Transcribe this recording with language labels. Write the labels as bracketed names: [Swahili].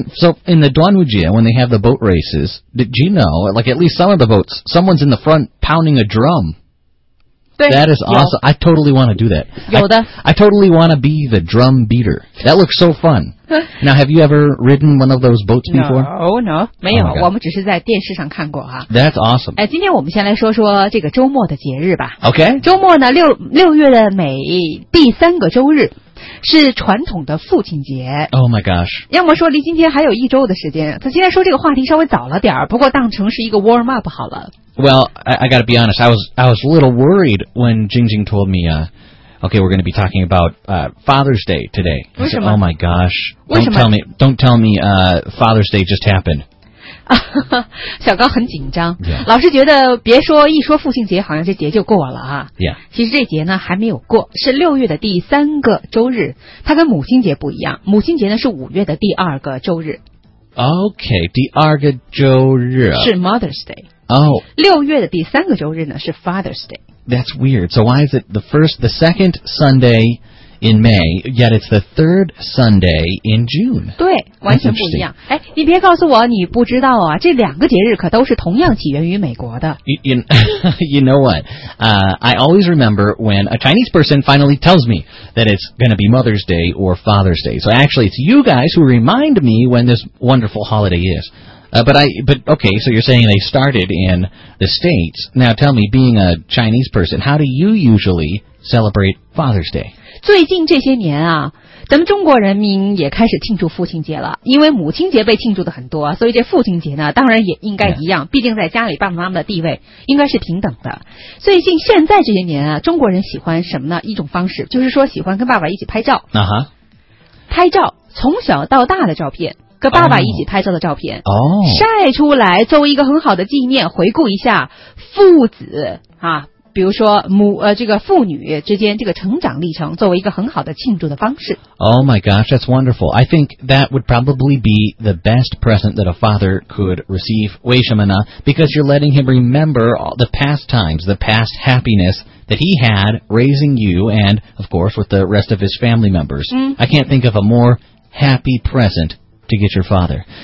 [English] So in the Duanwujia, when they have the boat races, did you know, like at least some of the boats, someone's in the front pounding a drum. That is awesome. I totally want to do that. I totally want to be the drum beater. That looks so fun. Now, have you ever ridden one of those boats before? [Chinese] No, 没有，我们只是在电视上看过啊。 [English] That's awesome. [Chinese] 今天我们先来说说这个周末的节日吧。 [English] Okay. [Chinese] 周末呢，六月的每第三个周日。是传统的父亲节。 [English] Oh my gosh. [Chinese] 要么说离今天还有一周的时间。他今天说这个话题稍微早了点儿，不过当成是一个 [English] warm up [Chinese] 好了。 [English] Well, I gotta be honest, I was a little worried when Jingjing told me, okay, we're gonna be talking about, Father's Day today. [Chinese] 为什么 [English] Oh my gosh. Don't tell me, Father's Day just happened. [Chinese] 小高很紧张、 [English] yeah. [Chinese] 老师觉得别说一说父亲节好像这节就过了啊。 [English] Yeah. [Chinese] 其实这节呢还没有过是六月的第三个周日它跟母亲节不一样母亲节呢是五月的第二个周日 OK 第二个周日是 Mother's Day、 [English] oh. [Chinese] 六月的第三个周日呢是 Father's Day [English] That's weird So why is it the second SundayIn May, yet it's the third Sunday in June. [Chinese] 对，完全不一样。哎，你别告诉我你不知道啊！这两个节日可都是同样起源于美国的。 [English] You know what? I always remember when a Chinese person finally tells me that it's going to be Mother's Day or Father's Day. So actually, it's you guys who remind me when this wonderful holiday is. But okay, so you're saying they started in the States. Now tell me, being a Chinese person, how do you usually celebrate Father's Day? [Chinese] 最近这些年啊，咱们中国人民也开始庆祝父亲节了，因为母亲节被庆祝的很多，所以这父亲节呢，当然也应该一样。毕竟在家里爸爸妈妈的地位应该是平等的。最近现在这些年啊，中国人喜欢什么呢？一种方式就是说喜欢跟爸爸一起拍照。啊哈，拍照从小到大的照片，跟爸爸一起拍照的照片，哦，晒出来作为一个很好的纪念，回顾一下父子啊。比如说这个父女之间这个成长历程作为一个很好的庆祝的方式。 [English] Oh my gosh, that's wonderful. I think that would probably be the best present that a father could receive. [Chinese] 为什么呢? [English] Because you're letting him remember all the past times, the past happiness that he had raising you and, of course, with the rest of his family members. Mm-hmm. I can't think of a more happy present to get your father.